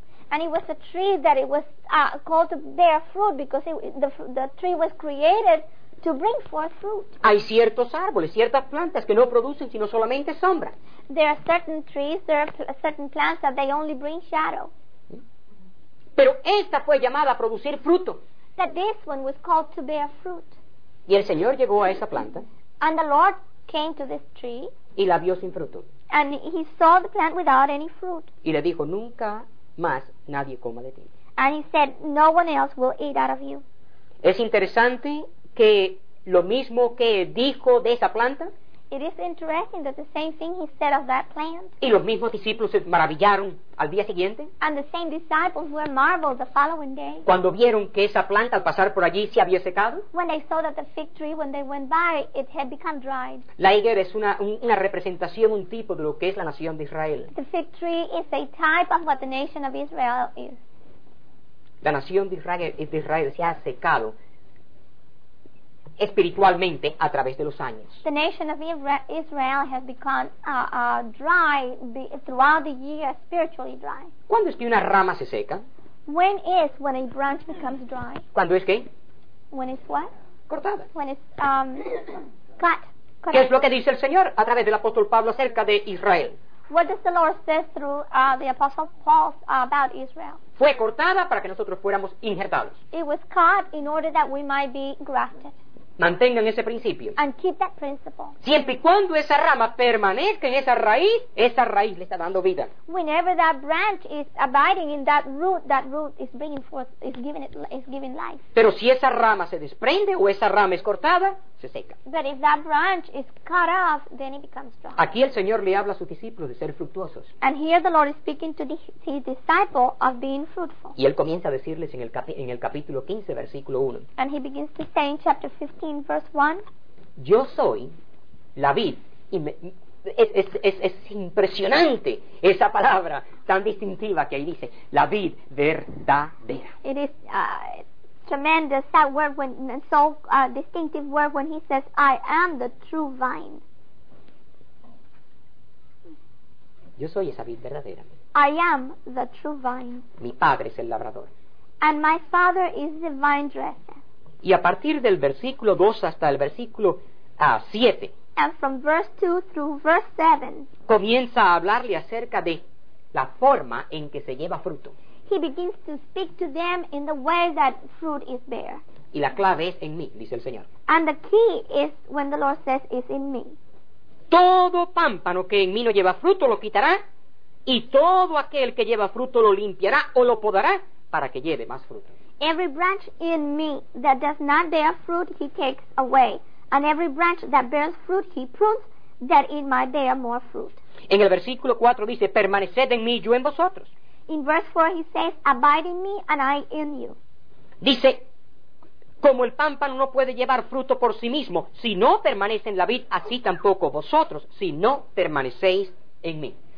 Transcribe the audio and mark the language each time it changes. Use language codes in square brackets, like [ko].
[en] And it was a tree that it was called to bear fruit because the tree was created to bring forth fruit. [es] Hay ciertos árboles, ciertas plantas que no producen sino solamente sombra. [en] There are certain trees, there are certain plants that they only bring shadow. [es] Pero esta fue llamada a producir fruto. [en] That this one was called to bear fruit. [es] Y el Señor llegó a esa planta. [en] And the Lord came to this tree. [es] Y la vio sin fruto. [en] And he saw the plant without any fruit. [es] Y le dijo, nunca más nadie coma de ti. [en] And he said, no one else will eat out of you. [es] Es interesante que lo mismo que dijo de esa planta. [en] It is interesting that the same thing he said of that plant. [es] Y los mismos discípulos se maravillaron al día siguiente. [en] And the same disciples were marveled the following day. [es] Cuando vieron que esa planta al pasar por allí se había secado. [en] When they saw that the fig tree, when they went by, it had become dried. [es] La higuera es una representación, un tipo de lo que es la nación de Israel. [en] The fig tree is a type of what the nation of Israel is. [es] La nación de Israel se ha secado espiritualmente a través de los años. [en] The nation of Israel has become dry throughout the year, spiritually dry. [es] ¿Cuándo es que una rama se seca? [en] When is when a branch becomes dry? [es] ¿Cuándo es qué? [en] When is what? [es] Cortada. [en] When is cut. [es] ¿Qué es lo que dice el Señor a través del apóstol Pablo acerca de Israel? [en] What does the Lord say through the apostle Paul about Israel? [es] Fue cortada para que nosotros fuéramos injertados. [en] It was cut in order that we might be grafted. [es] Mantengan ese principio. [en] And keep that principle. [es] Siempre y cuando esa rama permanezca en esa raíz le está dando vida. [en] Whenever that branch is abiding in that root is bringing forth, is giving life. [es] Pero si esa rama se desprende o esa rama es cortada, se seca. [en] But if that branch is cut off, then it becomes dry. [es] Aquí el Señor le habla a sus discípulos de ser fructuosos. [en] And here the Lord is speaking to his disciple of being fruitful. [es] Y él comienza a decirles en el capítulo 15, versículo 1. [en] And he begins to say in chapter 15, verse 1. [es] Yo soy la vid. Es impresionante esa palabra tan distintiva que ahí dice, la vid verdadera. [en] It is tremendous that word, when so distinctive word, when he says, I am the true vine. [es] Yo soy esa vid verdadera. [en] I am the true vine. [es] Mi padre es el labrador. [en] And my father is the vine dresser. [es] Y a partir del versículo 2 hasta el versículo 7. [en] And from verse 2 through verse 7. [es] Comienza a hablarle acerca de la forma en que se lleva fruto. [en] He begins to speak to them in the way that fruit is bear. [es] Y la clave es en mí, dice el Señor. [en] And the key is when the Lord says is in me. [es] Todo pámpano que en mí no lleva fruto lo quitará, y todo aquel que lleva fruto lo limpiará o lo podará para que lleve más fruto. [en] Every branch in me that does not bear fruit, he takes away. And every branch that bears fruit, he prunes, that it might bear more fruit. [es] En el versículo 4 dice, permaneced en mí, yo en vosotros. [en] In verse 4 he says, abide in me and I in you. [es] Dice, como el pámpano no puede llevar fruto por sí mismo, si no permanece en la vid, así tampoco vosotros, si no permanecéis en mí.